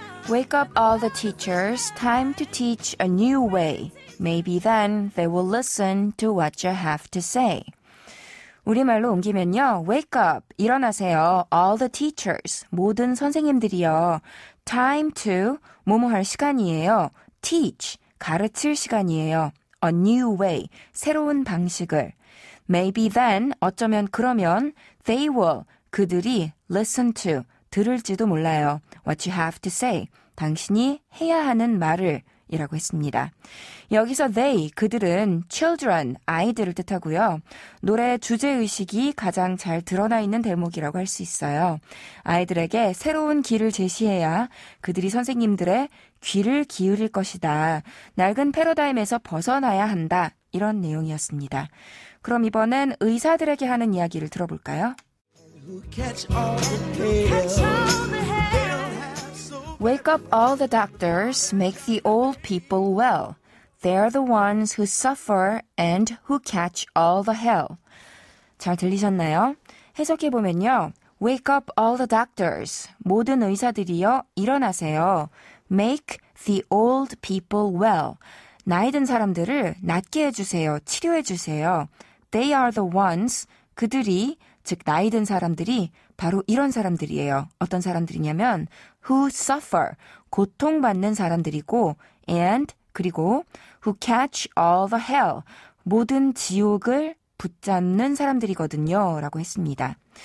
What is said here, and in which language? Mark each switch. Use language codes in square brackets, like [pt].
[en] Wake up all the teachers, time to teach a new way. Maybe then they will listen to what you have to say. [ko] 우리말로 옮기면요. [en] Wake up, [ko] 일어나세요. [en] All the teachers, [ko] 모든 선생님들이요. [en] Time to, [ko] 뭐뭐 할 시간이에요. [en] Teach, [ko] 가르칠 시간이에요. [en] A new way, [ko] 새로운 방식을. [en] Maybe then, [ko] 어쩌면 그러면, [en] they will, [ko] 그들이 [en] listen to, [ko] 들을지도 몰라요. [en] What you have to say, [ko] 당신이 해야 하는 말을. 이라고 했습니다. 여기서 they, 그들은 children, 아이들을 뜻하고요. 노래의 주제의식이 가장 잘 드러나 있는 대목이라고 할 수 있어요. 아이들에게 새로운 길을 제시해야 그들이 선생님들의 귀를 기울일 것이다. 낡은 패러다임에서 벗어나야 한다. 이런 내용이었습니다. 그럼 이번엔 의사들에게 하는 이야기를 들어볼까요? [en] Wake up all the doctors, make the old people well. They're the ones who suffer and who catch all the hell. [ko] 잘 들리셨나요? 해석해보면요. [en] Wake up all the doctors. [ko] 모든 의사들이여, 일어나세요. [en] Make the old people well. [ko] 나이 든 사람들을 낫게 해주세요. 치료해주세요. [en] They are the ones, [ko] 그들이, 즉 나이 든 사람들이 바로 이런 사람들이에요. 어떤 사람들이냐면 [en] who suffer, [ko] 고통받는 사람들이고 and, 그리고 [en] who catch all the hell, [ko] 모든 지옥을 붙잡는 사람들이거든요. 라고 했습니다.